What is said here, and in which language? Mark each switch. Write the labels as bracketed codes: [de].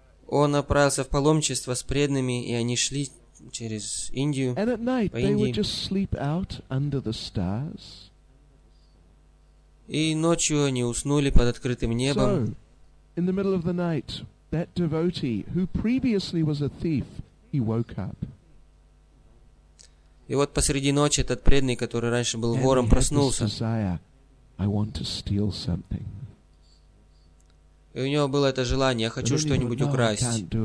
[ru] Он отправился в паломничество с преданными, и они шли через Индию, по Индии. [en] They would just sleep out under the stars. [ru] И ночью они уснули под открытым небом. [en] So, in the middle of the night, that devotee, who previously was a thief, he woke up. [ru] И вот посреди ночи этот преданный, который раньше был вором, проснулся. [en] I want to steal something. [ru] И у него было это желание, я хочу что-нибудь украсть.